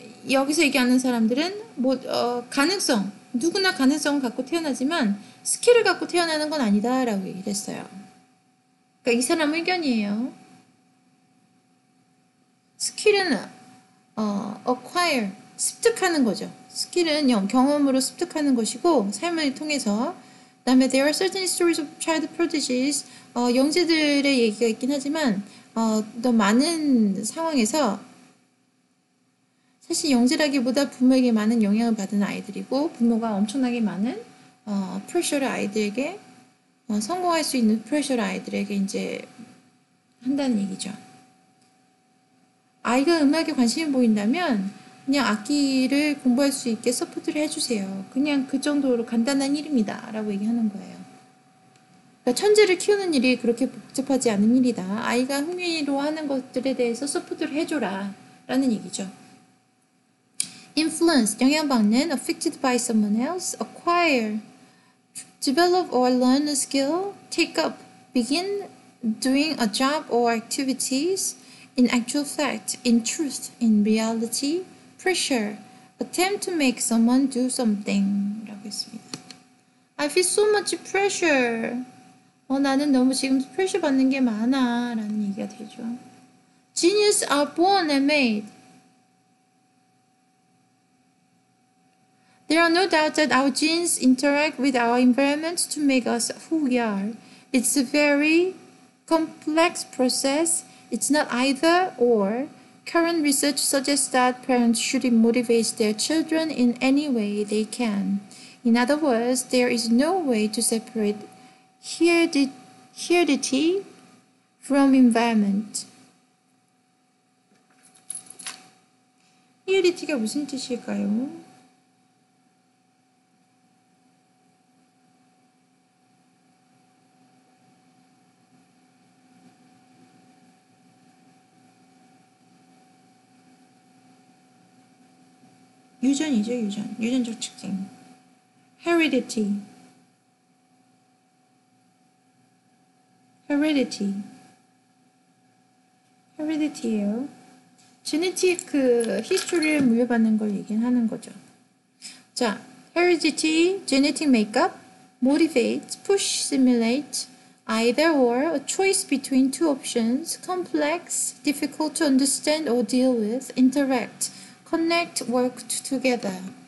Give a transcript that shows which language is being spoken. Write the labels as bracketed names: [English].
[Korean] 여기서 얘기하는 사람들은 가능성, 누구나 가능성을 갖고 태어나지만 스킬을 갖고 태어나는 건 아니다 라고 얘기를 했어요. 그러니까 이 사람 의견이에요. 스킬은 acquire, 습득하는 거죠. 스킬은 경험으로 습득하는 것이고 삶을 통해서 [English] 다음에 there are certain stories of child prodigies. [Korean] 영재들의 얘기가 있긴 하지만 더 많은 상황에서 사실 영재라기보다 부모에게 많은 영향을 받은 아이들이고 부모가 엄청나게 많은 pressure를 아이들에게 성공할 수 있는 pressure를 아이들에게 이제 한다는 얘기죠. 아이가 음악에 관심이 보인다면 그냥 악기를 공부할 수 있게 서포트를 해주세요. 그냥 그 정도로 간단한 일입니다. 라고 얘기하는 거예요. 그러니까 천재를 키우는 일이 그렇게 복잡하지 않은 일이다. 아이가 흥미로워하는 것들에 대해서 서포트를 해줘라. 라는 얘기죠. [English] Influence, 영향받는, affected by someone else, acquire, develop or learn a skill, take up, begin doing a job or activities, in actual fact, in truth, in reality, pressure, attempt to make someone do something. [Korean] 라고 했습니다. [English] I feel so much pressure. [Korean] 나는 너무 지금 pressure 받는 게 많아. 라는 얘기가 되죠. [English] Genius are born and made. There are no doubt that our genes interact with our environment to make us who we are. It's a very complex process. It's not either or. Current research suggests that parents should motivate their children in any way they can. In other words, there is no way to separate heredity from environment. [Korean] Heredity가 무슨 뜻일까요? 유전이죠, 유전. 유전적 특징. Heredity. [English] Heredity. [Korean] Heredity예요. Genetic history를 물려받는 걸 얘기하는 거죠. [English] 자, heredity, genetic makeup, motivate, push, simulate, either or, a choice between two options, complex, difficult to understand or deal with, interact, connect, work together.